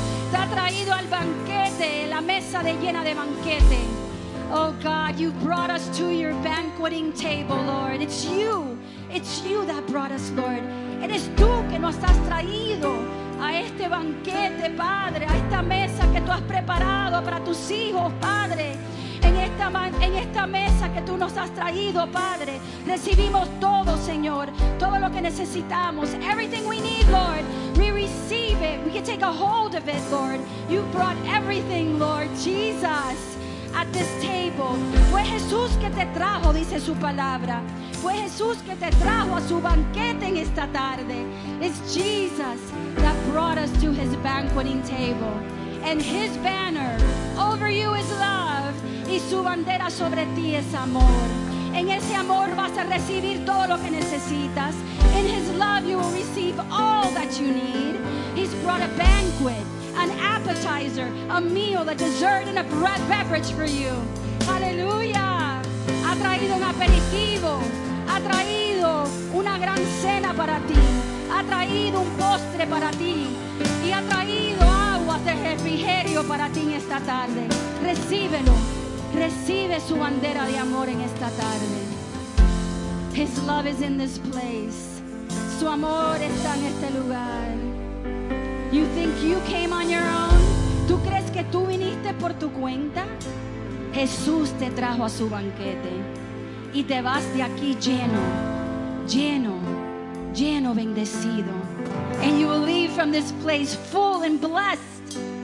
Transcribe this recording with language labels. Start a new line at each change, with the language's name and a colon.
Spanish: Te ha traído al banquete, la mesa de llena de banquete.
English: Oh God, you brought us to your banqueting table, Lord. It's you that brought us, Lord.
Spanish: Eres tú que nos has traído a este banquete, Padre, a esta mesa que tú has preparado para tus hijos, Padre. En esta mesa que tú nos has traído, Padre, recibimos todo, Señor, todo lo que necesitamos.
English: Everything we need, Lord, we receive it. We can take a hold of it, Lord. You brought everything, Lord Jesus, at this table.
Spanish: Fue Jesús que te trajo, dice su palabra. Fue Jesús que te trajo a su banquete en esta tarde.
English: It's Jesus that brought us to his banqueting table. And his banner over you is love.
Spanish: Y su bandera sobre ti es amor. En ese amor vas a recibir todo lo que necesitas.
English: In his love you will receive all that you need. He's brought a banquet, an appetizer, a meal, a dessert, and a bread beverage for you.
Spanish: Hallelujah! Ha traído un aperitivo. Ha traído una gran cena para ti. Ha traído un postre para ti. Y ha traído aguas de refrigerio para ti en esta tarde. Recíbelo. Recibe su bandera de amor en esta tarde.
English: His love is in this place.
Spanish: Su amor está en este lugar.
English: You think you came on your own?
Spanish: ¿Tú crees que tú viniste por tu cuenta? Jesús te trajo a su banquete. Y te vas de aquí lleno, lleno, lleno, bendecido.
English: And you will leave from this place full and blessed.